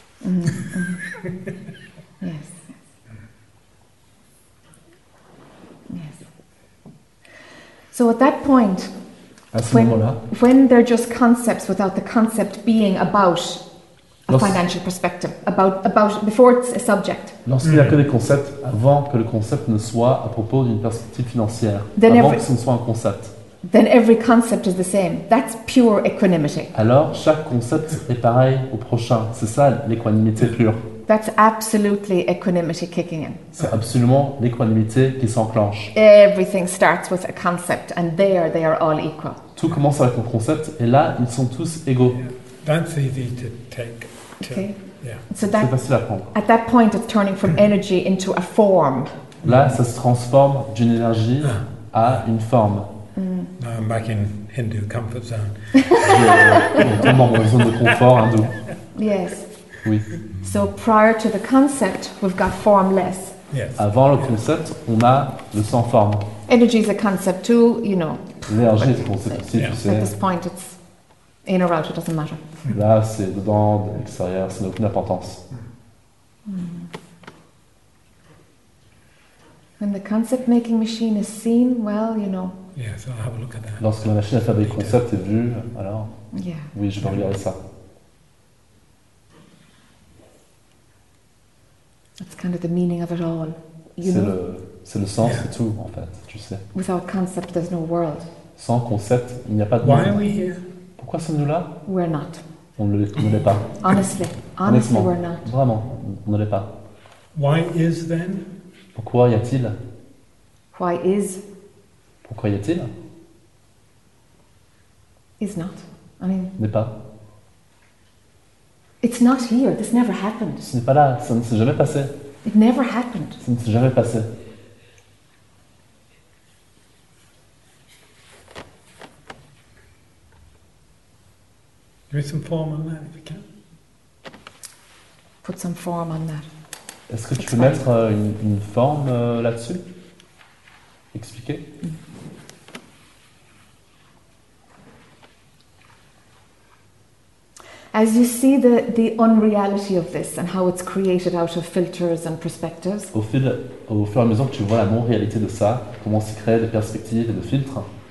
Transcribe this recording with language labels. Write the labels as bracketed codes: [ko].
[en] Mm-hmm. Yes. Yes. So at that point, when they're just concepts without the concept being about a financial perspective, about before it's a subject. [fr] Lorsqu'il n'y a que des concepts, avant que le concept ne soit à propos d'une perspective financière, que ce ne soit un concept. [en] Then every concept is the same. That's pure equanimity. [fr] Alors chaque concept est pareil au prochain. C'est ça l'équanimité pure. [en] That's absolutely equanimity kicking in. [fr] C'est absolument l'équanimité qui s'enclenche. [en] Everything starts with a concept, and there they are all equal. [fr] Tout commence avec un concept, et là ils sont tous égaux. [en] That's easy to take. Okay. Yeah. So that, at that point, it's turning from energy into a form. [fr] Là, ça se transforme d'une énergie à une forme. Mm. [en] Now I'm back in Hindu comfort zone. [fr] Tombe en zone de confort hindou. [en] Yes. [fr] Oui. [en] So prior to the concept, we've got formless. Yes. [fr] Avant le concept, on a le sans forme. [en] Energy is a concept too, you know. [fr] L'énergie est un concept aussi, tu sais. [en] At this point, it's in or out, it doesn't matter. [fr] Là, c'est dedans, de l'extérieur, ça n'a aucune importance. [en] When the concept-making machine is seen, well, you know. Yes, I'll have a look at that. [fr] Lorsque la machine à faire des concepts est vue, alors. [en] Yeah. [fr] Oui, je vais regarder ça. [en] That's kind of the meaning of it all. You [fr] c'est [en] know? [fr] C'est le sens de tout, en fait, tu sais. [en] Without concept, there's no world. [fr] Sans concept, il n'y a pas de [en] Why [fr] monde. [en] Why are we here? [fr] Pourquoi sommes-nous là? [en] We're not. [fr] On ne l'est pas. [en] Honestly, we're not. [fr] Vraiment, on ne l'est pas. [en] Why is then? [fr] Pourquoi y a-t-il? [en] Why is? [fr] Pourquoi y a-t-il? [en] Is not. I mean. [fr] N'est pas. [en] It's not here. This never happened. [fr] Ce n'est pas là. Ça ne s'est jamais passé. [en] It never happened. [fr] Ça ne s'est jamais passé. [en] Give me some form on that, if you can. Put some form on that. [fr] Est-ce que tu peux mettre une forme là-dessus? Expliquer. [en] As you see the unreality of this and how it's created out of filters and perspectives. [fr] Au fur et à mesure que tu vois la non-réalité de ça, comment c'est créé des perspectives et des filtres.